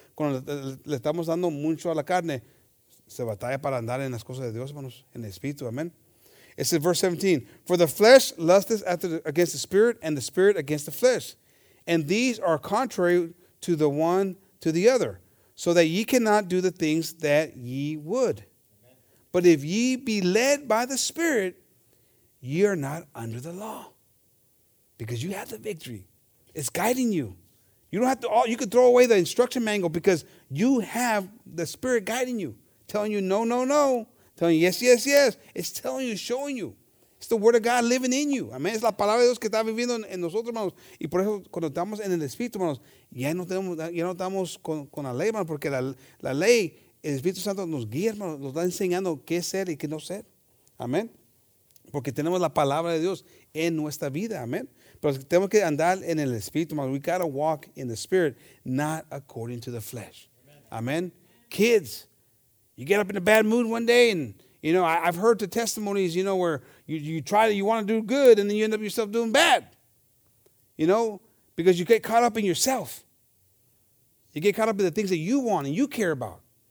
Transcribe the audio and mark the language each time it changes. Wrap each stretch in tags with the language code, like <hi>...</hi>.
<es>Cuando le estamos dando mucho a la carne, se batalla para andar en las cosas de Dios, hermanos, en el Espíritu. Amen.</es> <en>It says, verse 17, for the flesh lusteth after against the spirit, and the spirit against the flesh. And these are contrary to the one to the other, so that ye cannot do the things that ye would. But if ye be led by the Spirit, ye are not under the law. Because you have the victory. It's guiding you. You don't have to, you can throw away the instruction manual because you have the Spirit guiding you, telling you no, no, no, telling you yes, yes, yes. It's telling you, showing you. It's the word of God living in you. Amen.</en> <es>Es la palabra de Dios que está viviendo en nosotros, hermanos. Y por eso, cuando estamos en el Espíritu, hermanos, ya no estamos con la ley, hermanos, porque la ley, el Espíritu Santo nos guía, hermanos, nos está enseñando qué ser y qué no ser. Amén. Porque tenemos la palabra de Dios en nuestra vida. Amén. Pero tenemos que andar en el Espíritu, hermanos.</es> <en>We got to walk in the Spirit, not according to the flesh. Amén. Kids, you get up in a bad mood one day and, you know, I've heard the testimonies, you know, where you want to do good and then you end up yourself doing bad. You know, because you get caught up in yourself. You get caught up in the things that you want and you care about.</en>